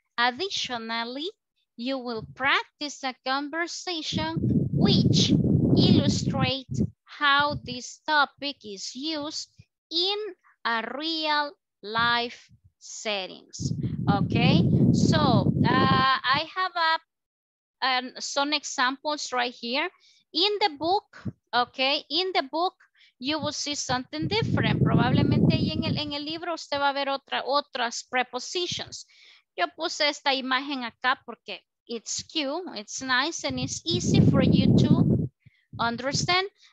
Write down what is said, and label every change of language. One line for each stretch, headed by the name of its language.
English: Additionally, you will practice a conversation which illustrates how this topic is used in a real life settings. Okay, so I have some examples right here. In the book, okay, in the book, you will see something different.
Spanish: Probablemente ahí en el libro usted va a ver otras prepositions. Yo puse esta imagen acá porque
English: it's cute, it's nice, and it's easy for you to understand.